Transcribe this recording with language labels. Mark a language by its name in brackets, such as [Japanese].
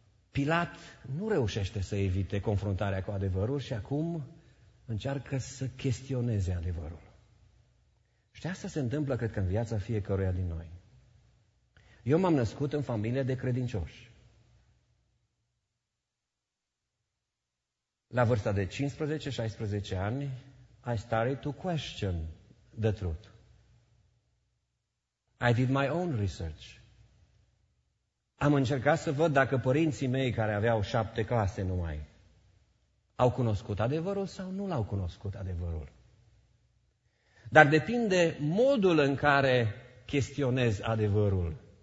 [Romanian] Pilat nu reușește să evite confruntarea cu adevărul și acum încearcă să chestioneze adevărul. Și asta se întâmplă, cred că, în viața fiecăruia din noi. Eu m-am născut în familie de credincioși. La vârsta de 15-16 ani, [English] I started to question the truth. I did my own research. [Romanian] Am încercat să văd dacă părinții mei, care aveau 7 clase numai, au cunoscut adevărul sau nu l-au cunoscut adevărul. Dar depinde modul în care chestionez adevărul.